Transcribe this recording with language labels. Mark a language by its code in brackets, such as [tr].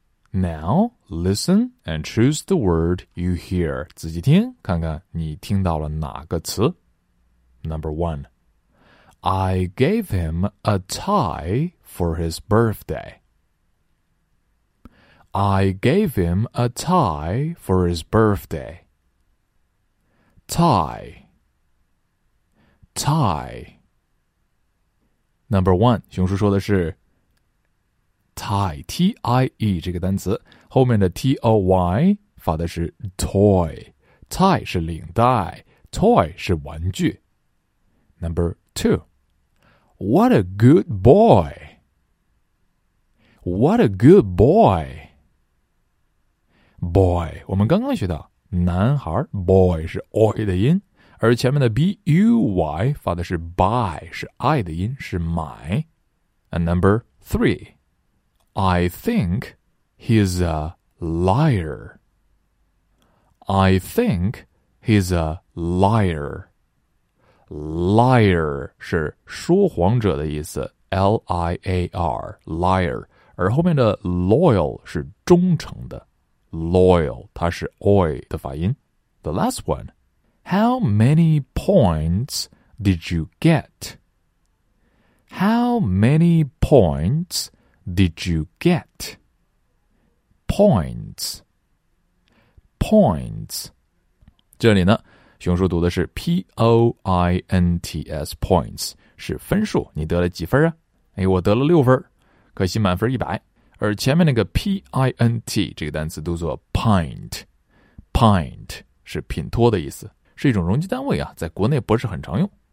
[en] Now listen and choose the word you hear [zh] 仔细听看看你听到了哪个词 [en] Number one I gave him a tie for his birthdayI gave him a tie for his birthday. Tie. Tie. Number one, [zh] 熊叔说的是 tie, T-I-E 这个单词后面的 T-O-Y 发的是 toy. [en] Tie [zh] 是领带 [en] toy [zh] 是玩具 [en] Number two, What a good boy. What a good boy. [zh] Boy, 我们刚刚学到男孩 boy 是 oi 的音而前面的 b-u-y 发的是 by 是 i 的音是 my [en] And number three I think he's a liar I think he's a liar Liar [zh] 是说谎者的意思 [en] l-i-a-r liar [zh] 而后面的 [en] loyal [zh] 是忠诚的 [en] Loyal, 它是 oi 的发音。 The last one. How many points did you get? How many points did you get? Points. Points. [zh] 这里呢，熊叔读的是 P-O-I-N-T-S, points, 是分数。你得了几分啊？哎，我得了六分，可惜满分100。而前面那个 P-I-N-T 这个单词读作 pint pint 是品托的意思是一种容积单位啊在国内不是很常用